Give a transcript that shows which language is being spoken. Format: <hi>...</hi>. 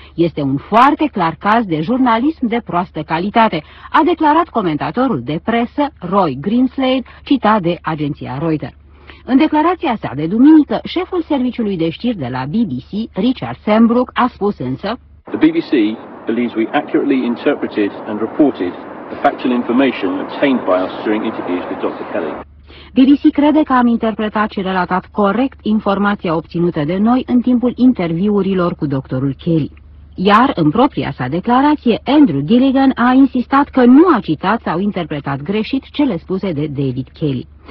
<ro>Este un foarte clar caz de jurnalism de proastă calitate, a declarat comentatorul de presă Roy Greenslade, citat de agenția Reuters. În declarația sa de duminică, șeful serviciului de știri de la BBC, Richard Sembrook, a spus însă:</ro> <en>"The BBC believes we accurately interpreted and reported the factual information obtained by us during interviews with Dr. Kelly."</en> <ro>BBC crede că am interpretat și relatat corect informația obținută de noi în timpul interviurilor cu doctorul Kelly. Iar în propria sa declarație, Andrew Gilligan a insistat că nu a citat sau interpretat greșit cele spuse de David Kelly.</ro>